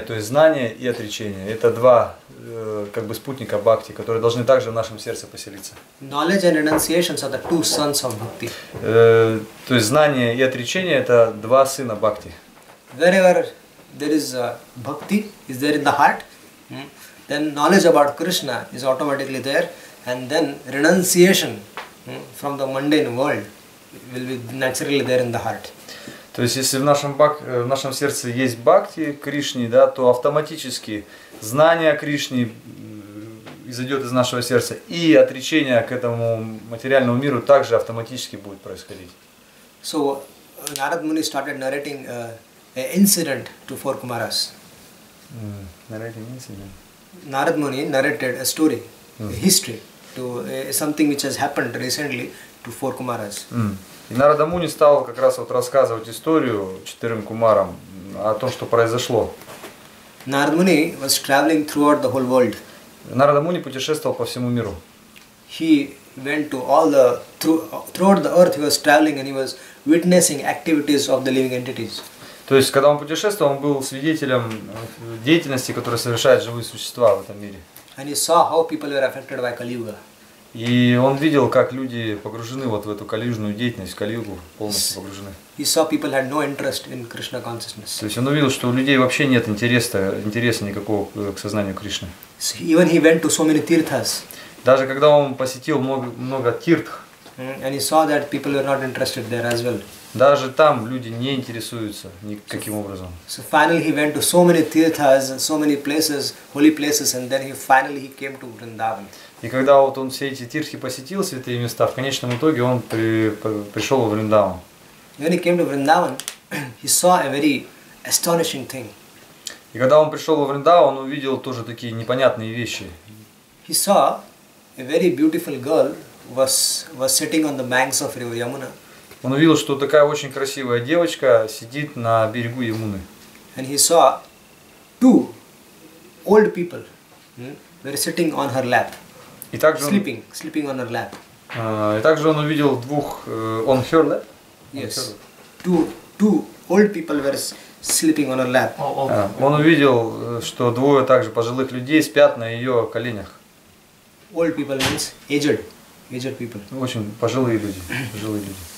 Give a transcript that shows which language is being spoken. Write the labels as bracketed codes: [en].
[ru] То есть знание и отречение. Это два как бы спутника бхакти, которые должны также в нашем сердце поселиться. [en] Knowledge and renunciation are the two sons of bhakti. [ru] То есть знание и отречение это два сына бхакти. [en] Wherever there is bhakti is there in the heart, then knowledge about Krishna is automatically there, and then renunciation from the mundane world will be naturally there in the heart. [ru] То есть если в нашем сердце есть бхакти Кришне, да, то автоматически знание о Кришне изойдет из нашего сердца, и отречение к этому материальному миру также автоматически будет происходить. [en] So Narada Muni started narrating an incident to four Kumaras. Narrating incident. Narada Muni narrated a story, a history to something which has happened recently to four Kumaras. [ru] И Narada Muni стал как раз вот рассказывать историю четырем кумарам о том, что произошло. [en] Narada Muni was traveling throughout the whole world. [ru] Narada Muni путешествовал по всему миру. [en] He went to all the throughout the earth. He was traveling and he was witnessing activities of the living entities. [ru] То есть, когда он путешествовал, он был свидетелем деятельности, которую совершают живые существа в этом мире. [en] And he saw how people were affected by Kali Yuga. [ru] И он видел, как люди погружены вот в эту калиюжную деятельность, калиюгу полностью погружены. [en] He saw people had no interest in Krishna consciousness. [ru] То есть он увидел, что у людей вообще нет интереса никакого к сознанию Кришны. [en] Even he went to so many tirthas. [ru] Даже когда он посетил много тирх. [en] And he saw that people were not interested there as well. [ru] Даже там люди не интересуются никаким образом. [en] So finally he went to so many tirthas, so many places, holy places, and then he finally came to Vrindavan. [ru] И когда вот он все эти тирхи посетил, святые места, в конечном итоге он пришел в Вриндаван. [en] When he came to Vrindavan, he saw a very astonishing thing. [ru] И когда он пришел в Вриндаван, он увидел тоже такие непонятные вещи. [en] He saw a very beautiful girl was sitting on the banks of river Yamuna. [ru] Он увидел, что такая очень красивая девочка сидит на берегу Ямуны. [en] And he saw two old people were sitting on her lap. [ru] И также [en] sleeping on her lap. [ru] И также он увидел двух [en] on her lap. Two old people were sleeping on her lap. [ru] Он увидел, что двое также пожилых людей спят на ее коленях. [en] Old people means aged, aged people. [ru] Очень пожилые люди, пожилые люди.